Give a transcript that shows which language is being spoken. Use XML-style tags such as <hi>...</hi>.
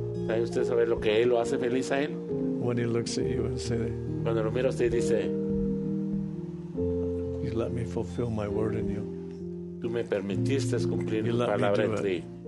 <es>¿Sabe usted saber lo que él lo hace feliz a él?</es> <en>When he looks at you and say,</en> <es>cuando lo mira usted dice,</es> <en>you let me fulfill my word in you.</en> <es>Tú me permitiste cumplir mi palabra en ti.</es>